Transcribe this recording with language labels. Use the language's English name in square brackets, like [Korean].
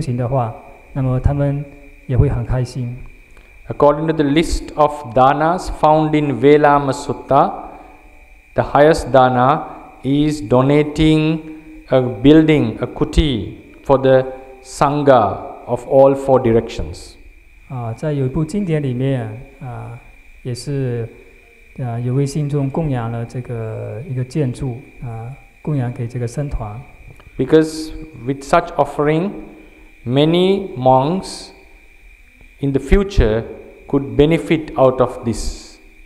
[Chinese] 因此呢，所有参与这个寺院的这个建造、参与这个建筑的这个组织者、建造者、建立者等等，如果他们的这些这个努力，未来让这些建筑可以投入到很好的使用，有很多的这个僧人可以在里面进行修行的话，那么他们也会很开心。 [English] According to the list of dhanas found in Velama Sutta, the highest dhana is donating a building, a kuti, for the sangha of all four directions. [Chinese] 在有一部经典里面，也是有位信众供养了这个一个建筑，供养给这个僧团。 [English] Because with such offering, many monks in the future could benefit out of this.